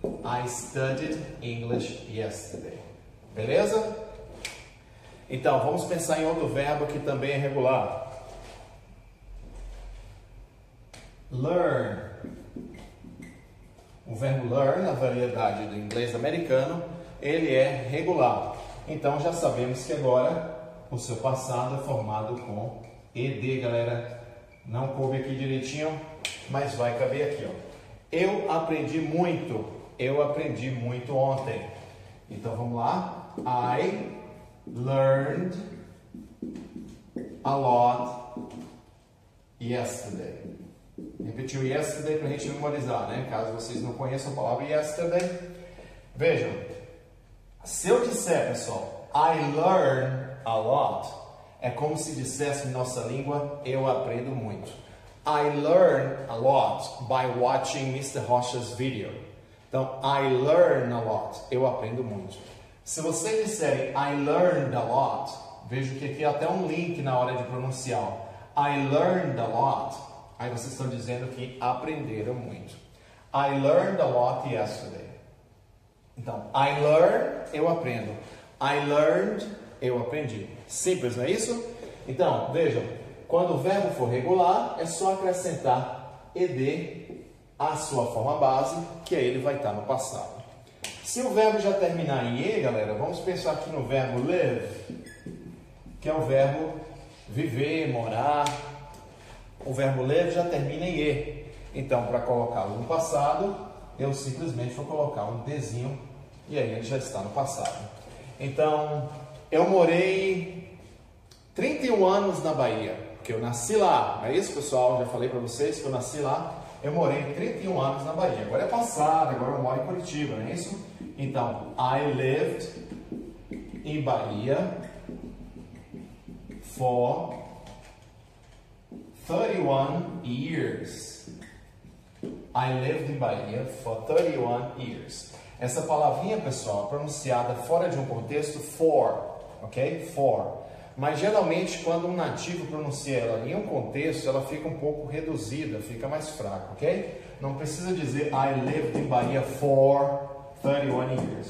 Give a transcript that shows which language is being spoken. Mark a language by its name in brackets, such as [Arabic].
[English] I studied English yesterday. [Portuguese] Beleza? Então, vamos pensar em outro verbo que também é regular. Learn. O verbo learn, na variedade do inglês americano, ele é regular. Então, já sabemos que agora o seu passado é formado com ed, galera. Não coube aqui direitinho, mas vai caber aqui, ó. Eu aprendi muito. Eu aprendi muito ontem. Então vamos lá. [English] I learned a lot yesterday. [Portuguese] Repetiu yesterday para a gente memorizar, né? Caso vocês não conheçam a palavra yesterday. Vejam. Se eu disser, pessoal, [English] I learn a lot, [Portuguese] é como se dissesse em nossa língua, eu aprendo muito. [English] I learn a lot by watching Mr. Rocha's video. Então, I learn a lot. [Portuguese] Eu aprendo muito. Se você disser [English] I learned a lot, [Portuguese] vejo que aqui é até um link na hora de pronunciar. [English] I learned a lot. [Portuguese] Aí vocês estão dizendo que aprenderam muito. [English] I learned a lot yesterday. [Portuguese] Então, [English] I learn, [Portuguese] eu aprendo. [English] I learned, [Portuguese] eu aprendi. Simples, não é isso? Então, vejam. Quando o verbo for regular, é só acrescentar ed à sua forma base, que aí ele vai estar no passado. Se o verbo já terminar em e, galera, vamos pensar aqui no verbo live, que é o verbo viver, morar. O verbo live já termina em e. Então, para colocá-lo no passado, eu simplesmente vou colocar um dzinho e aí ele já está no passado. Então, eu morei 31 anos na Bahia. Que eu nasci lá, não é isso, pessoal? Já falei para vocês que eu nasci lá. Eu morei 31 anos na Bahia. Agora é passado, agora eu moro em Curitiba, não é isso? [English] Então, I lived in Bahia for 31 years. I lived in Bahia for 31 years. [Portuguese] Essa palavrinha, pessoal, pronunciada fora de um contexto, for, ok? For. Mas geralmente, quando um nativo pronuncia ela em um contexto, ela fica um pouco reduzida, fica mais fraca, ok? Não precisa dizer [English] I lived in Bahia for 31 years.